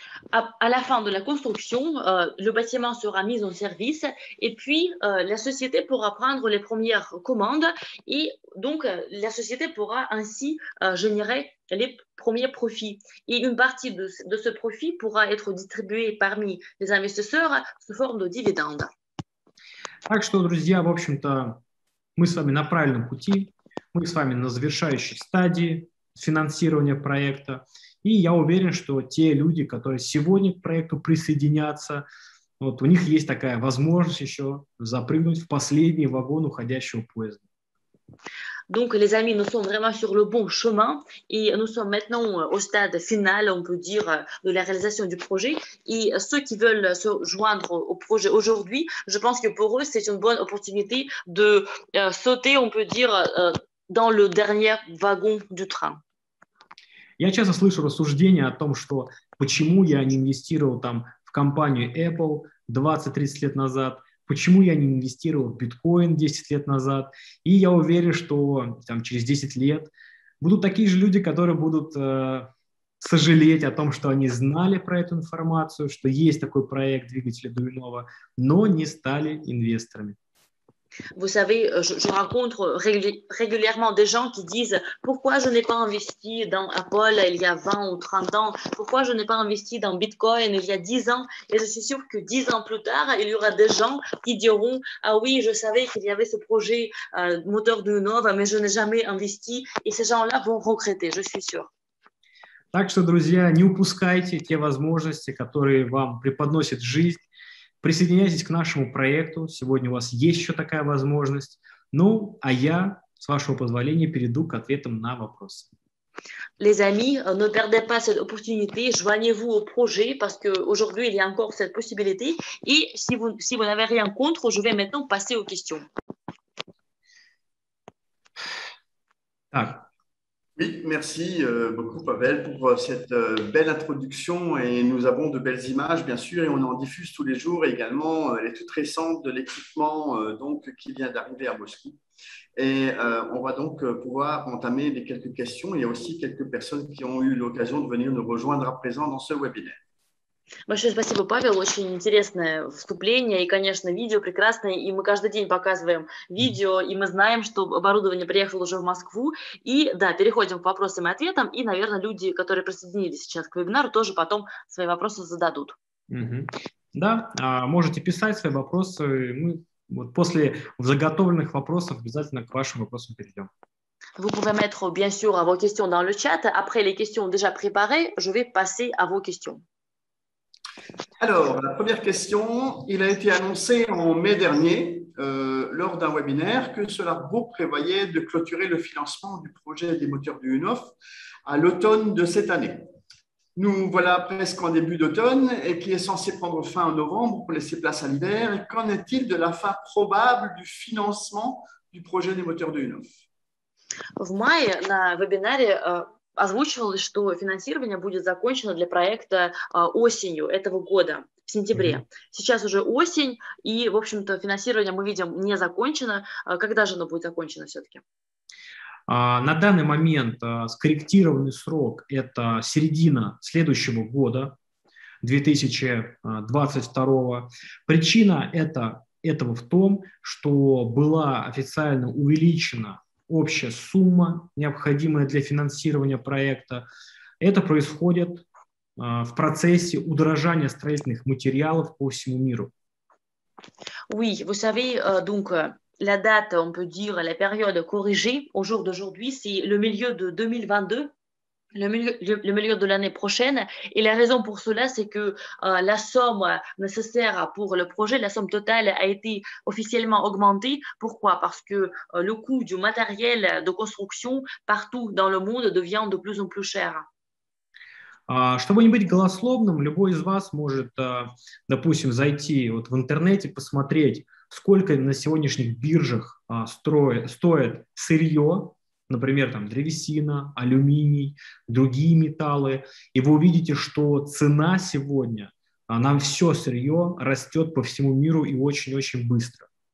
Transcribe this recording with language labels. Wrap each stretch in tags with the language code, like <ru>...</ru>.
<fr>À la fin de la construction, le bâtiment sera mis en service et puis la société pourra prendre les premières commandes et donc la société pourra ainsi générer les premiers profits. Et une partie de ce profit pourra être distribuée parmi les investisseurs sous forme de dividendes.</fr> <ru>Так что, друзья, в общем-то, мы с вами на правильном пути. Мы с вами на завершающей стадии финансирования проекта. И я уверен, что те люди, которые сегодня к проекту присоединятся, вот у них есть такая возможность еще запрыгнуть в последний вагон уходящего поезда.</ru> <fr>Donc les amis, nous sommes vraiment sur le bon chemin et nous sommes maintenant au stade final, on peut dire, de la réalisation du projet. Et ceux qui veulent se joindre au projet aujourd'hui, je pense que pour eux, c'est une bonne opportunité de sauter, on peut dire, dans le dernier wagon du train.</fr> <ru>Я часто слышу рассуждения о том, что почему я не инвестировал там в компанию Apple 20-30 лет назад, почему я не инвестировал в биткоин 10 лет назад. И я уверен, что там, через 10 лет будут такие же люди, которые будут сожалеть о том, что они знали про эту информацию, что есть такой проект двигателя Дуйнова, но не стали инвесторами.</ru> <fr>Vous savez, je rencontre régulièrement des gens qui disent « Pourquoi je n'ai pas investi dans Apple il y a 20 ou 30 ans? Pourquoi je n'ai pas investi dans Bitcoin il y a 10 ans ?» Et je suis sûre que 10 ans plus tard, il y aura des gens qui diront « Ah oui, je savais qu'il y avait ce projet moteur de Nova, mais je n'ai jamais investi. » Et ces gens-là vont regretter, je suis sûre.</fr> <ru>Так что, друзья, не упускайте те возможности, которые вам преподносит жизнь. Присоединяйтесь к нашему проекту. Сегодня у вас есть еще такая возможность. Ну, а я, с вашего позволения, перейду к ответам на вопросы.</ru> <fr>Les amis, ne perdez pas cette opportunité. Joignez-vous au projet, parce qu'aujourd'hui, il y a encore cette possibilité.</fr> <ru>И</ru> <fr>si vous n'avez rien contre, je vais maintenant passer aux questions.</fr> <ru>Так.</ru> <fr>Oui, merci beaucoup, Pavel, pour cette belle introduction. Et nous avons de belles images, bien sûr, et on en diffuse tous les jours. Et également, elle est toute récente de l'équipement donc, qui vient d'arriver à Moscou. Et on va donc pouvoir entamer les quelques questions. Il y a aussi quelques personnes qui ont eu l'occasion de venir nous rejoindre à présent dans ce webinaire.</fr> <ru>Большое спасибо, Павел. Очень интересное вступление. И, конечно, видео прекрасное. И мы каждый день показываем видео, и мы знаем, что оборудование приехало уже в Москву. И да, переходим к вопросам и ответам. И, наверное, люди, которые присоединились сейчас к вебинару, тоже потом свои вопросы зададут. Да, можете писать свои вопросы. Мы вот после заготовленных вопросов обязательно к вашим вопросам перейдем.</ru> <fr>Vous pouvez mettre, bien sûr, vos questions dans le chat. Après les questions déjà préparées, je vais passer à vos questions. Alors, la première question, il a été annoncé en mai dernier, lors d'un webinaire, que cela vous prévoyait de clôturer le financement du projet des moteurs du UNOF à l'automne de cette année. Nous voilà presque en début d'automne et qui est censé prendre fin en novembre pour laisser place à l'hiver. Qu'en est-il de la fin probable du financement du projet des moteurs du UNOF?</fr> <ru>В мае на вебинаре озвучивалось, что финансирование будет закончено для проекта осенью этого года, в сентябре. Сейчас уже осень, и, в общем-то, финансирование, мы видим, не закончено. Когда же оно будет закончено все-таки? На данный момент скорректированный срок – это середина следующего года, 2022. Причина этого в том, что была официально увеличена общая сумма, необходимая для финансирования проекта. Это происходит в процессе удорожания строительных материалов по всему миру.</ru> <fr>Oui, vous savez, donc la date, on peut dire la période corrigée au jour d'aujourd'hui, c'est le milieu de 2022, le milieu de l'année prochaine. Et la raison pour cela, c'est que la somme nécessaire pour le projet, la somme totale, a été officiellement augmentée. Pourquoi? Parce que le coût du matériel de construction partout dans le monde devient de plus en plus cher.</fr> <ru>Чтобы не быть голословным, любой из вас может, допустим, зайти вот в интернете, посмотреть, сколько на сегодняшних биржах стоит сырье, например, там древесина, алюминий, другие металлы, и вы увидите, что цена сегодня на все сырье растет по всему миру и очень-очень быстро.</ru>